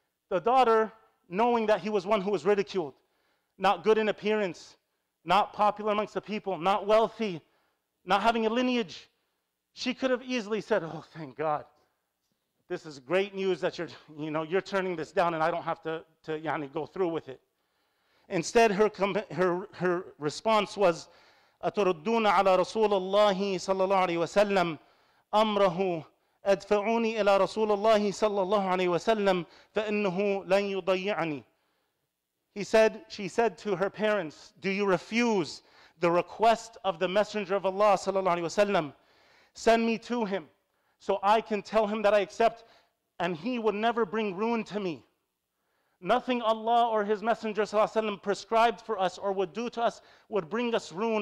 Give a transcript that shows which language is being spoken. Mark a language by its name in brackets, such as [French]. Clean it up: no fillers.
[English] The daughter, knowing that he was one who was ridiculed, not good in appearance, not popular amongst the people, not wealthy, not having a lineage, she could have easily said, oh, thank God. This is great news that you're turning this down and I don't have to go through with it. Instead, her response was, [Arabic] أَتُرُدُّونَ عَلَى رَسُولَ اللَّهِ صَلَّى اللَّهُ عَلَيْهِ وَسَلَّمْ أَمْرَهُ أَدْفَعُونِ إِلَى رَسُولَ اللَّهِ صَلَّى اللَّهُ عَلَيْهِ وَسَلَّمْ فَإِنَّهُ لَنْ يُضَيِّعَنِي. [English] She said to her parents, do you refuse the request of the Messenger of Allah sallallahu alaihi wasallam? Send me to him so I can tell him that I accept and he would never bring ruin to me. Nothing Allah or his Messenger sallallahu alaihi wasallam prescribed for us or would do to us would bring us ruin.